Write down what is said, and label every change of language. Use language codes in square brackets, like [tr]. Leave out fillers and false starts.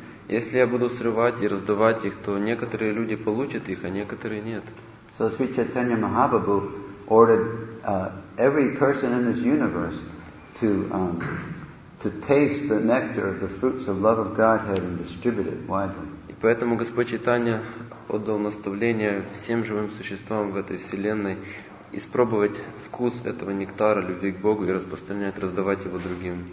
[ru] Если я буду срывать и раздавать их, то некоторые люди получат их, а некоторые нет. [en] So Sri Chaitanya Mahaprabhu ordered every person in this universe to taste the nectar of the fruits of love of Godhead and distribute it widely. [ru] Поэтому Господь Чайтанья отдал наставление всем живым существам в этой вселенной испробовать вкус этого нектара любви к Богу и распространять, раздавать его другим.